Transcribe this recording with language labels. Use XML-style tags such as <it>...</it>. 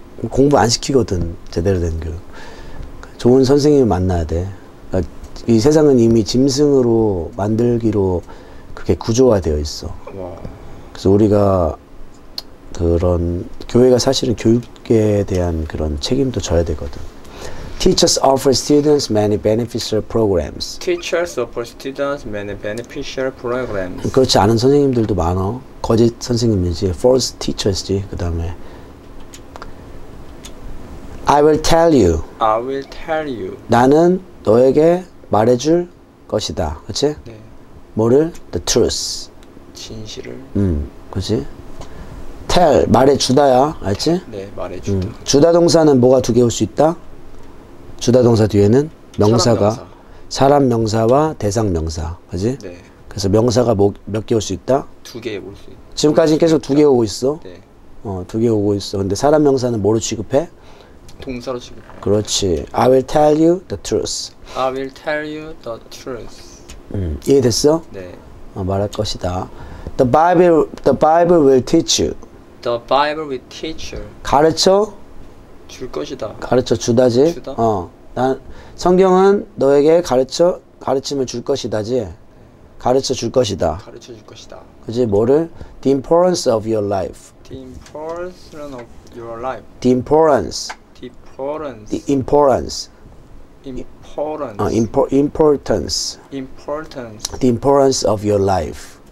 <ko>공부 안 시키거든 제대로 된 교육. 좋은 선생님을 만나야 돼. 그러니까 이 세상은 이미 짐승으로 만들기로 그렇게 구조화되어 있어. 와. 그래서 우리가 그런 교회가 사실은 교육에 대한 그런 책임도 져야 되거든.</ko> <en>Teachers offer students many beneficial programs. Teachers offer students many beneficial programs.</en> <ko>그렇지 않은 선생님들도 많아. 거짓 선생님이지,</ko> <en>false teachers</en> <ko>지. 그 다음에</ko> <en>I will tell you. I will tell you.</en> <ko>나는 너에게 말해줄 것이다. 그렇지? 네.</ko> <en>뭐를? The truth.</en> <ko>진실을. 그렇지? tell 말해 주다야. 알지? 네, 말해 주다. 주다 동사는 뭐가 두 개 올 수 있다? 주다 동사 뒤에는 명사가 사람 명사와 대상 명사. 그렇지? 네. 그래서 명사가 뭐, 몇 개 올 수 있다? 두 개 올 수 있다. 지금까지 계속 두 개 오고 있어. 네. 두 개 오고 있어. 근데 사람 명사는 뭐로 취급해? 동사로 취급해. 그렇지.</ko> <en>I will tell you the truth. I will tell you the truth.</en> <ko>이해됐어? 네. 말할 것이다.</ko> <en>The Bible will teach you. The Bible will teach you.</en> <ko>가르쳐? 줄 것이다. 가르쳐 주다지? 주다? 난 성경은 너에게 가르침을 줄 것이다지? 네. 가르쳐 줄 것이다. 가르쳐 줄 것이다. 그지? 뭐를?</ko> <en>The importance of your life. The importance of your life. The importance. The importance. The importance. Importance. Importance. Importance. The importance of your life.</en>